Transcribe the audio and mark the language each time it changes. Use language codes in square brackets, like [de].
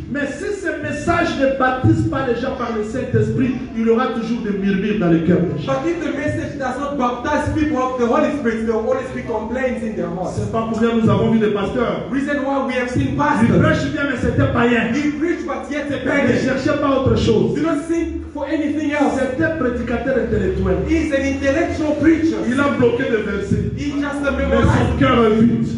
[fr] Mais si ce message ne baptise pas les gens par le Saint-Esprit, il y aura toujours des murmures dans le cœur. [en] But if the message does not baptize people of the Holy Spirit, there will always be complaints in their hearts. [fr] C'est pas pour rien nous avons vu des pasteurs. [en] Reason why we have seen pastors. [fr] Il prêche bien mais c'était païen. [en] He preached but yet a pagan. [fr] Ne cherchait pas autre chose. [en] Do not seek for anything else. [fr] C'était un prédicateur intellectuel. [en] He is an intellectual preacher. [fr] Il a bloqué des versets. [en] He just memorized. [fr] Mais son cœur est vide.